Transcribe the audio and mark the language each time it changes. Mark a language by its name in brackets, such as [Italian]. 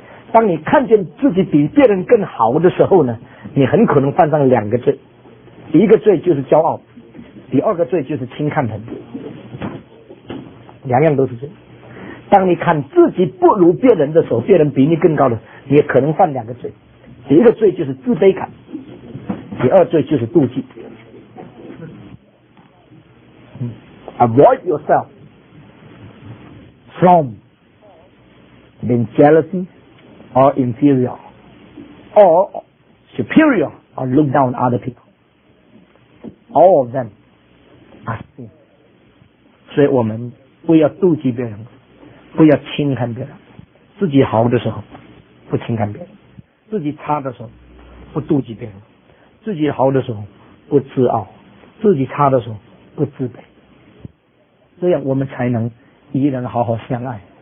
[Chinese] 当你看见自己比别人更好的时候呢，你很可能犯上两个罪，一个罪就是骄傲，第二个罪就是轻看人，两样都是罪。当你看自己不如别人的时候，别人比你更高的，你也可能犯两个罪，第一个罪就是自卑感，第二罪就是妒忌。 [English] Avoid yourself from being jealousy or inferior or superior or look down other people. All of them are sin. [Chinese] 所以我们不要妒忌别人，不要轻看别人，自己好的时候不轻看别人，自己差的时候不妒忌别人，自己好的时候不自傲，自己差的时候不自卑，这样我们才能与人好好相爱。